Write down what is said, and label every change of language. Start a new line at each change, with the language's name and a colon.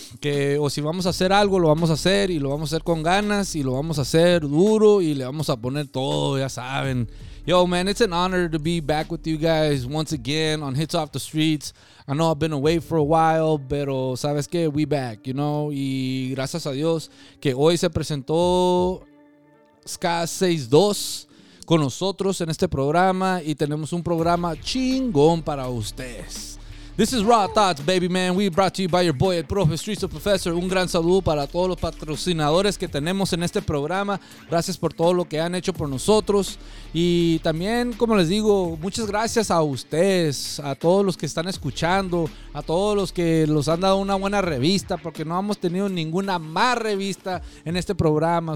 Spanish: Que o si vamos a hacer algo, lo vamos a hacer. Y lo vamos a hacer con ganas. Y lo vamos a hacer duro. Y le vamos a poner todo, ya saben.
English: Yo, man, it's an honor to be back with you guys once again on Hits Off the Streets. I know I've been away for a while,
Spanish: pero sabes que
English: we back, you know.
Spanish: Y gracias a Dios que hoy se presentó SK62 con nosotros en este programa y tenemos un programa chingón para ustedes.
English: This is Raw Thoughts, baby man. We brought to you by your boy, el Profe Streets, the Professor.
Spanish: Un gran saludo para todos los patrocinadores que tenemos en este programa. Gracias por todo lo que han hecho por nosotros. Y también, como les digo, muchas gracias a ustedes, a todos los que están escuchando, a todos los que nos han dado una buena revista, porque no hemos tenido ninguna más revista en este programa.